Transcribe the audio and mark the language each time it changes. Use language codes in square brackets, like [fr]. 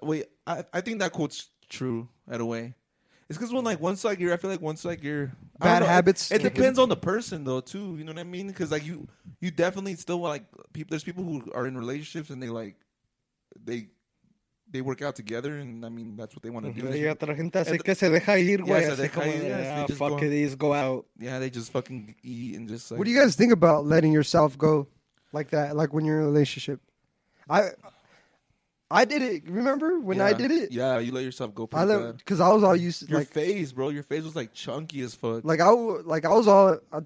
[en] Wait, I think that quote's true in a way. It's because once you're bad habits. It depends on the person though too. You know what I mean? Because like you definitely still like people. There's people who are in relationships and they work out together and I mean that's what they want to do. [es] Y otra gente hace que se deja ir, güey. [en] They just go out. Yeah, they just fucking eat and just. Like, what do you guys think about letting yourself go like that? Like when you're in a relationship, I did it. Remember when I did it? Yeah, you let yourself go pretty bad. Because I was all used to... Your face, bro. Your face was like chunky as fuck. Like I was all...